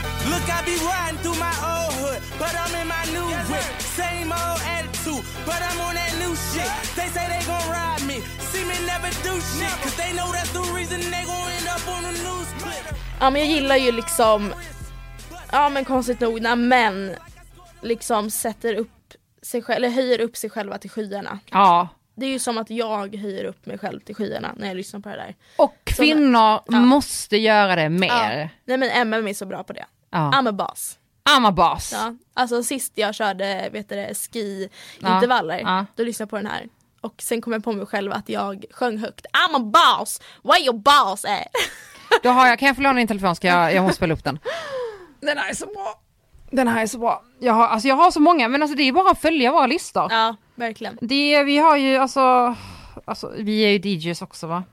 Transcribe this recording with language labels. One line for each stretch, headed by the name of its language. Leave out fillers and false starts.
English: Look, I be riding through my old hood, but I'm in my new whip. Same old attitude, but I'm on that new shit. They say they gon' ride me, see me never do shit. Cause they know that's the reason they gon' end up on the news clip.
Swedish: Ja, men jag gillar ju liksom, ja men konstigt nog, när män liksom sätter upp sig själv, eller höjer upp sig själva till skyarna. Ja. Det är ju som att jag höjer upp mig själv till skyarna när jag lyssnar på det där. Och kvinnor måste göra det mer. Ja. Nej, men MM är så bra på det. Ja.
English: I'm a boss. Ja.
Swedish: Alltså sist jag körde, vet du det, ski intervaller, då lyssnade jag på den här. Och sen kom jag på mig själv att jag sjöng högt.
English: I'm a boss, where your boss at?
Swedish: Då har jag, kan jag få låna din telefon? Jag måste spela upp den. Den här är så bra. Den här är så bra. Jag har så många, men alltså det är bara att följa våra listor. Ja, verkligen. Vi har ju, alltså vi är ju DJs också, va?